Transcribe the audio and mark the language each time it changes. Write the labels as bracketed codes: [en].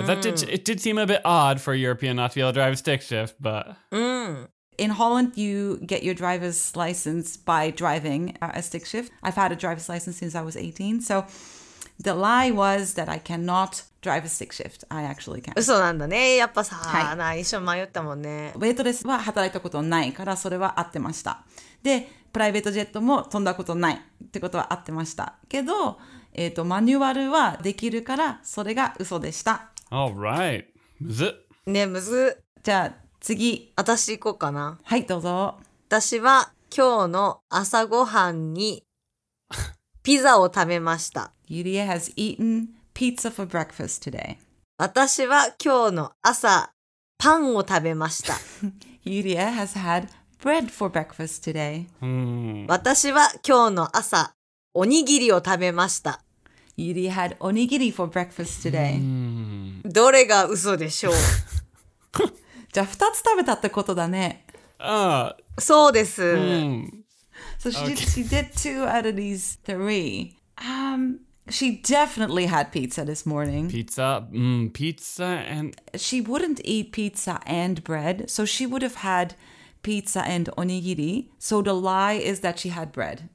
[en] It did seem a bit odd for a European not to be able to drive a stick shift, but... In Holland, you get your driver's license by driving a stick shift. I've had a driver's license since I was 18. So the lie was that I cannot drive a stick shift. I actually can. [ja] 嘘なんだね。やっぱさ、はい、な一生迷ったもんね。ウェイトレスは働いたことないから、それは合ってました。で、プライベートジェットも飛んだことないってことは合ってました。けど、マニュアルはできるからそれが嘘でした。 [en] All right. むず。 [ja] ね、むず。じゃあ次。私行こうかな。はい、どうぞ。私は今日の朝ごはんにピザを食べました。 [en] Yuria has eaten pizza for breakfast today. [ja] 私は今日の朝パンを食べました。 [en] Yuria has had bread for breakfast today. [ja] 私は今日の朝おにぎりを食べました。 [en] Yuri had おにぎり for breakfast today. [ja] どれが嘘でしょう。じゃあ2つ食べたってことだね。そうです。 [en] So she did two out of these three. She definitely had pizza this morning. Pizza? Pizza and... She wouldn't eat pizza and bread, so she would have had... Pizza and onigiri. So the lie is that she had bread.